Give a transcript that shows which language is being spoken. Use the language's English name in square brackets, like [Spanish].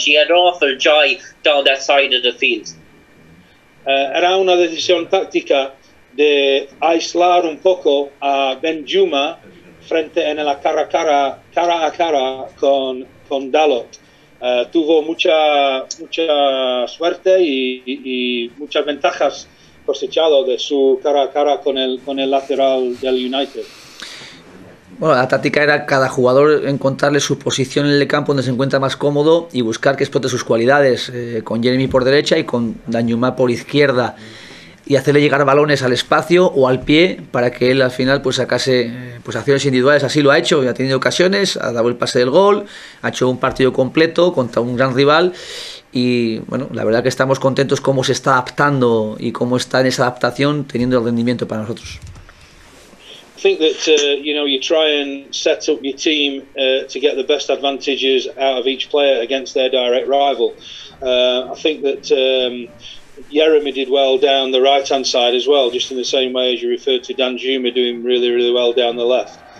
[English] He had an awful jive down that side of the field. [Spanish] Era una decisión táctica de aislar un poco a Danjuma frente en la cara a cara con Dalot. Tuvo mucha suerte y muchas ventajas cosechado de su cara a cara con el lateral del United. Bueno, la táctica era cada jugador encontrarle su posición en el campo donde se encuentra más cómodo y buscar que explote sus cualidades, con Jeremy por derecha y con Danjuma por izquierda, y hacerle llegar balones al espacio o al pie para que él al final pues sacase pues acciones individuales. Así lo ha hecho y ha tenido ocasiones, ha dado el pase del gol, ha hecho un partido completo contra un gran rival. Y bueno, la verdad que estamos contentos cómo se está adaptando y cómo está en esa adaptación teniendo el rendimiento para nosotros. [English] I think that you try and set up your team to get the best advantages out of each player against their direct rival. I think that Jeremy did well down the right hand side as well, just in the same way as you referred to Danjuma doing really, really well down the left.